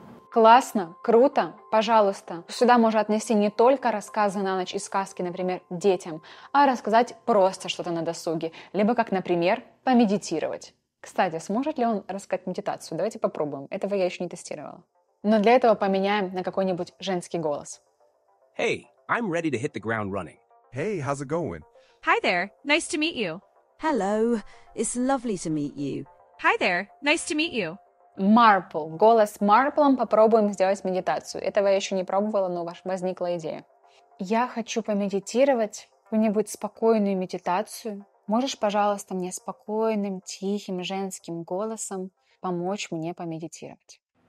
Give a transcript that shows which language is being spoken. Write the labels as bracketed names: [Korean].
[Russian] Классно, круто, пожалуйста. Сюда можно отнести не только рассказы на ночь и сказки, например, детям, а рассказать просто что-то на досуге, либо, как, например, помедитировать. Кстати, сможет ли он рассказать медитацию? Давайте попробуем. Этого я еще не тестировала. Но для этого поменяем на какой-нибудь женский голос. [English] Hey, I'm ready to hit the ground running. Hey, how's it going? Hi there, nice to meet you. Hello, it's lovely to meet you. Hi there, nice to meet you. [Russian] Марпл. Голос Марплом попробуем сделать медитацию. Этого я еще не пробовала, но у вас возникла идея. Я хочу помедитировать какую-нибудь спокойную медитацию. Можешь, пожалуйста, мне спокойным, тихим, женским голосом помочь мне помедитировать?